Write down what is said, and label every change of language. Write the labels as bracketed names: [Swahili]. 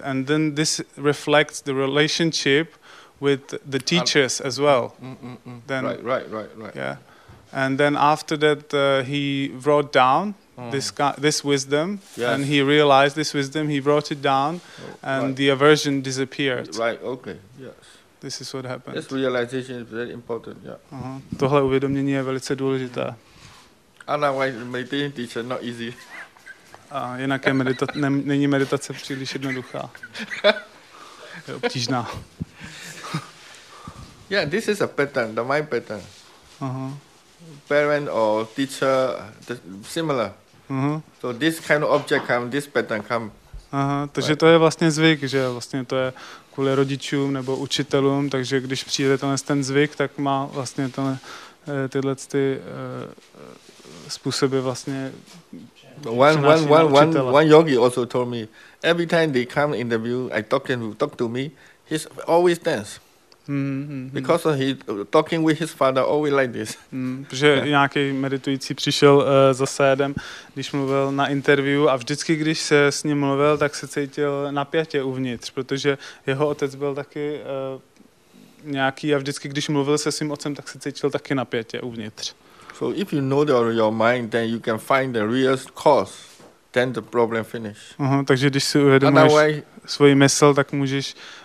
[English] And then this reflects the relationship with the teachers as well. Then, right. Yeah. And then after that, he wrote down this wisdom, and he realized this wisdom. He wrote it down, and the aversion disappeared. Right. Okay. Yes. This is what happened. This realization is very important. Yeah. Uh-huh. [Czech] Tohle uvědomění je velice důležité. [English] Otherwise, meditation teacher not easy. [Czech] A jinak je není meditace příliš jednoduchá. Je obtížná. [English] Yeah, this is a pattern, the mind pattern. Parent or teacher, similar. So this kind of object come, this pattern come. [Czech] Takže to je vlastně zvyk, že vlastně to je kvůli rodičům nebo učitelům, takže když přijde tenhle ten zvyk, tak má vlastně tenhle, tyhle ty způsoby vlastně [English] One yogi also told me, every time they come interview, I talk to me, he's always tense. Because of he talking with his father always like this. [Czech] Protože nějaký meditující přišel za sédem, když mluvil na interview a vždycky, když se s ním mluvil, tak se cítil napjatě uvnitř, protože jeho otec byl taky nějaký a vždycky, když mluvil se svým otcem, tak se cítil taky napjatě uvnitř. [English] So if you know your mind, then you can find the real cause, then the problem finish. [Czech] Takže když si uvědomuješ svoji mysl, tak můžeš